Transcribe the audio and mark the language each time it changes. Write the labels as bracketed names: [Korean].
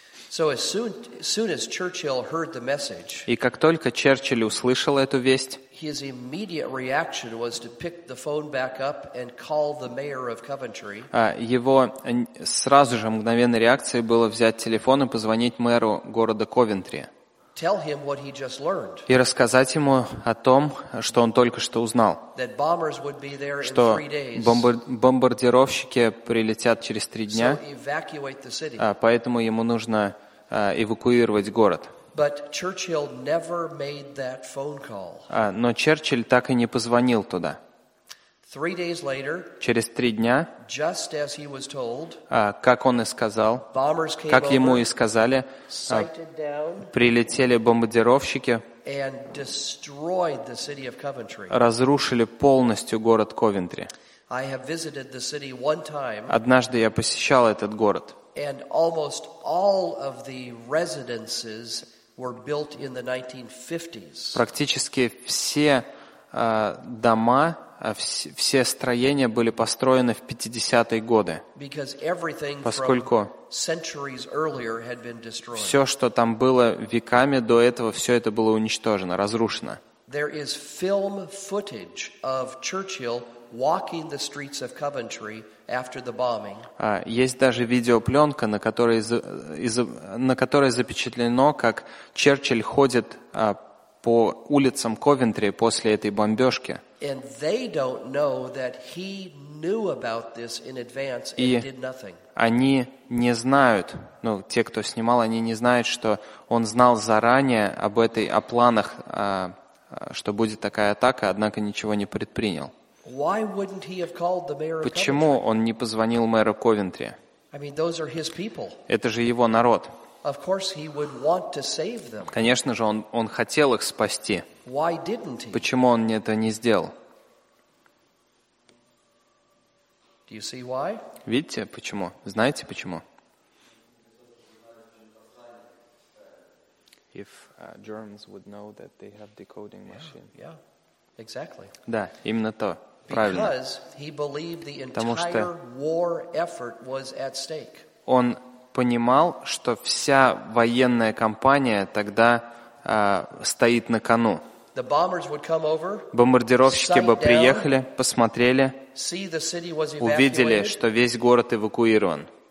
[English] So as soon as Churchill heard the message, [Russian] и как только Черчилль услышал эту весть, [English] his immediate reaction was to pick the phone back up and call the mayor of Coventry. [Russian] Его сразу же мгновенной реакцией было взять телефон и позвонить мэру города Ковентри. [English] Tell him what he just learned. [Russian] И рассказать ему о том, что он только что узнал. [English] That bombers would be there in 3 days. [Russian] Что бомбардировщики прилетят через 3 дня. [English] So evacuate the city. [Russian] Поэтому ему нужно эвакуировать город. [English] But Churchill never made that phone call. [Russian] Но Черчилль так и не позвонил туда. [English] 3 days later. [Russian] Через 3 дня. [English] Just as he was told. [Russian] Как он и сказал. [English] Bombers came. [Russian] Как ему и сказали. Прилетели бомбардировщики. [English] And destroyed the city of Coventry. [Russian] Разрушили полностью город Ковентри. [English] I have visited the city one time. [Russian] Однажды я посещал этот город. [English] And almost all of the residences were built in the 1950s. [Russian] Практически все дома все строения были построены в 50-е годы, поскольку все, что там было веками до этого, все это было уничтожено, разрушено. [English] There is film footage of Churchill walking the streets of Coventry after the bombing. [Russian] Есть даже видеопленка, на которой запечатлено, как Черчилль ходит по улицам Ковентри после этой бомбежки. [English] And they don't know that he knew about this in advance and did nothing. [Russian] Они не знают, ну, те, кто снимал, они не знают, что он знал заранее об этой, о планах, что будет такая атака, однако ничего не предпринял. [English] Why wouldn't he have called the mayor of Coventry? [Russian] Почему он не позвонил мэру Ковентри? [English] I mean, those are his people. [Russian] Это же его народ. [English] Of course he would want to save them. [Russian] Конечно же, он хотел их спасти. [English] Why didn't he? [Russian] Почему он это не сделал? [English] Do you see why? [Russian] Видите, почему? Знаете, почему? [English] If Germans would know that they have decoding machine. Yeah, yeah, exactly. [Russian] Да, именно то. Правильно. [English] Because he believed the entire war effort was at stake. [Russian] Он понимал, что вся военная кампания тогда стоит на кону. [English] The bombers would come over, [Russian] бомбардировщики бы приехали, посмотрели, увидели, что весь город эвакуирован.